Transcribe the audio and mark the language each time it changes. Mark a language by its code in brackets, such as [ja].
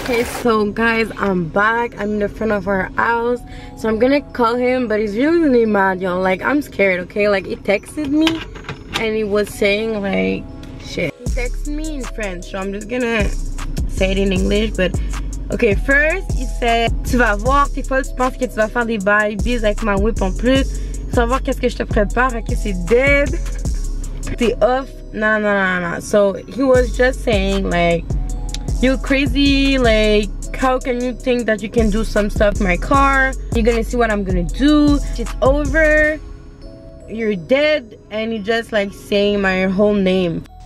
[en] Okay, so guys, I'm back. I'm in the front of our house. So I'm gonna call him, but he's really mad, y'all. Like, I'm scared, okay? Like, he texted me and he was saying, like, shit. He texted me in French, so I'm just gonna say it in English, but. Okay, first, he said, [fr] tu vas voir, t'es folle, tu penses que tu vas faire des babies avec ma whip en plus. Savoir qu'est-ce que je te prépare, ok, c'est dead. T'es off. Nah. [en] So, he was just saying, like, you're crazy, like, how can you think that you can do some stuff in my car? You're gonna see what I'm gonna do. It's over. You're dead. And he just, like, saying my whole name.